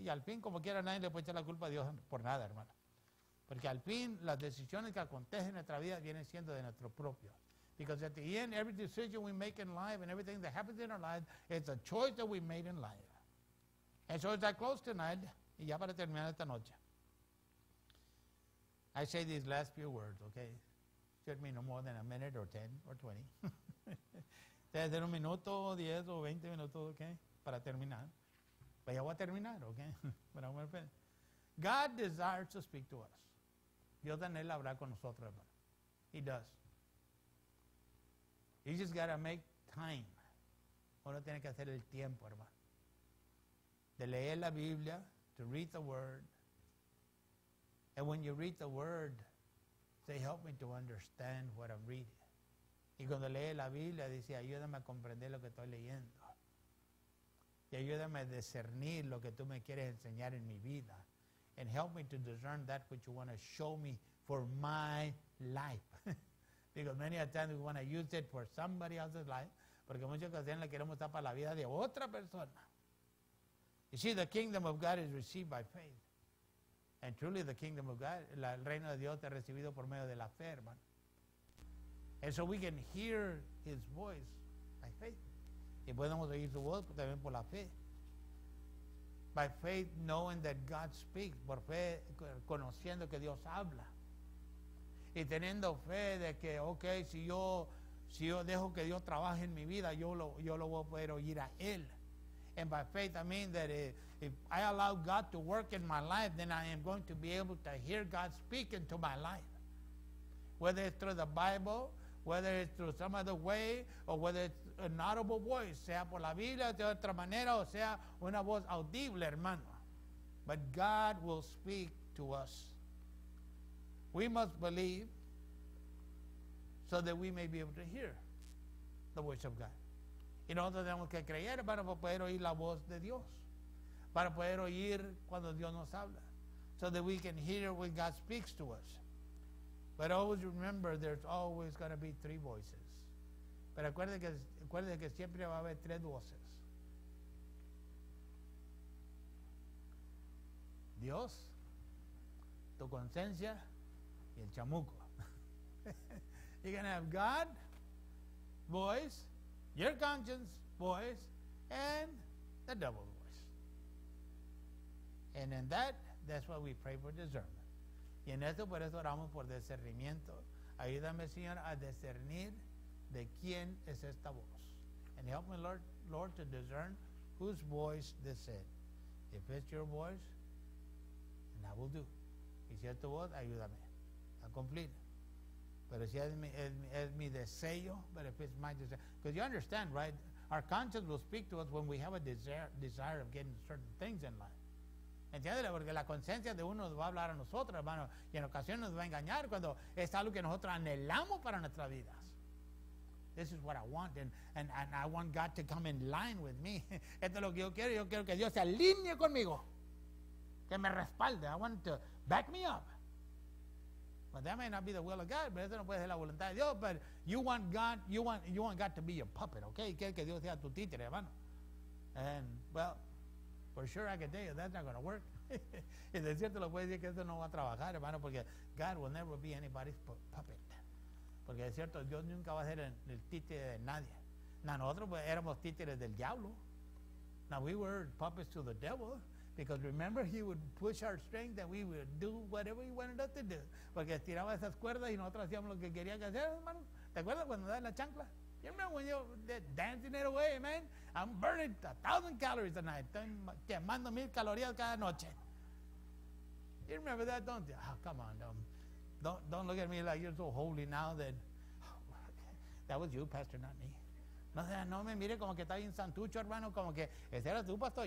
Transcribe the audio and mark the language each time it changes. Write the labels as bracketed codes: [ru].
[es] Y al fin, como quiera, nadie le puede echar la culpa a Dios por nada, hermano. Porque al fin, las decisiones que acontecen en nuestra vida vienen siendo de nuestro propio. [en] Because at the end, every decision we make in life and everything that happens in our life is a choice that we made in life. And so as I close tonight, [es] y ya para terminar esta noche, [en] I say these last few words, okay? Should mean no more than a minute or 10 or 20. [es] Debe ser un minuto, 10 o 20 minutos, okay? Para terminar. Pues ya voy a terminar, okay? [en] God desires to speak to us. [es] Dios anhela hablar con nosotros, hermano. [en] He does. You just got to make time. [es] Uno tiene que hacer el tiempo, hermano. De leer la Biblia, [en] to read the word. And when you read the word, say, help me to understand what I'm reading. [es] Y cuando lee la Biblia, dice, ayúdame a comprender lo que estoy leyendo. Y ayúdame a discernir lo que tú me quieres enseñar en mi vida. [en] And help me to discern that which you want to show me for my life. Because many a time we want to use it for somebody else's life. [es] Porque muchas ocasiones le queremos usar para la vida de otra persona. [en] You see, the kingdom of God is received by faith. And truly the kingdom of God, [es] el reino de Dios es recibido por medio de la fe, hermano. [en] And so we can hear his voice by faith. [es] Y podemos oír su voz también por la fe. [en] By faith, knowing that God speaks. [es] Por fe, conociendo que Dios habla. Y teniendo fe de que, okay, si yo dejo que Dios trabaje en mi vida, yo lo voy a poder oír a Él. [en] And by faith, I mean that if I allow God to work in my life, then I am going to be able to hear God speak into my life. Whether it's through the Bible, whether it's through some other way, or whether it's an audible voice, [es] sea por la Biblia, de otra manera, o sea una voz audible, hermano. [en] But God will speak to us. We must believe so that we may be able to hear the voice of God. [es] Y nosotros tenemos que creer para poder oír la voz de Dios, para poder oír cuando Dios nos habla, [en] so that we can hear when God speaks to us. But always remember, there's always going to be three voices. [es] Pero acuérdense que siempre va a haber tres voces. Dios, tu conciencia y el chamuco. [en] You're going to have God, voice, your conscience, voice, and the devil's voice. And in that, that's why we pray for discernment. [es] Y en esto, por eso oramos por discernimiento. Ayúdame, Señor, a discernir de quién es esta voz. [en] And help me, Lord, to discern whose voice this is. If it's your voice, then I will do. [es] Y si es tu voz, ayúdame a cumplir. Pero si es mi deseo, [en] but if it's my desire. Because you understand, right? Our conscience will speak to us when we have a desire of getting certain things in life. [es] ¿Entiendes? Porque la conciencia de uno va a hablar a nosotros, hermano. Y en ocasiones nos va a engañar cuando es algo que nosotros anhelamos para nuestras vidas. [en] This is what I want, and I want God to come in line with me. [es] Esto es lo que yo quiero. Yo quiero que Dios se alinee conmigo. Que me respalde. [en] I want to back me up. But that may not be the will of God, [es] pero eso no puede ser la voluntad de Dios. [en] But you want God to be your puppet, okay? [es] Quiere que Dios sea tu títere, hermano. [en] And, well, for sure I can tell you that's not going to work. [es] Y de cierto lo puede decir que eso no va a trabajar, hermano, porque [en] God will never be anybody's puppet. [es] Porque es cierto, Dios nunca va a ser el títere de nadie. Nosotros pues, éramos títeres del diablo. [en] Now we were puppets to the devil. Because remember, he would push our strength and we would do whatever he wanted us to do. [es] Porque estiraba esas cuerdas y nosotros hacíamos lo que quería que hacer, hermano. ¿Te acuerdas cuando daba la chancla? [en] You remember when you're dancing it away, man? I'm burning 1,000 calories a night. [es] Estoy quemando 1,000 calorías cada noche. [en] You remember that, don't you? Oh, come on, don't look at me like you're so holy now that was you, pastor, not me. [es] No, o sea, no me mire como que está bien santucho, hermano, como que ese era tu pastor.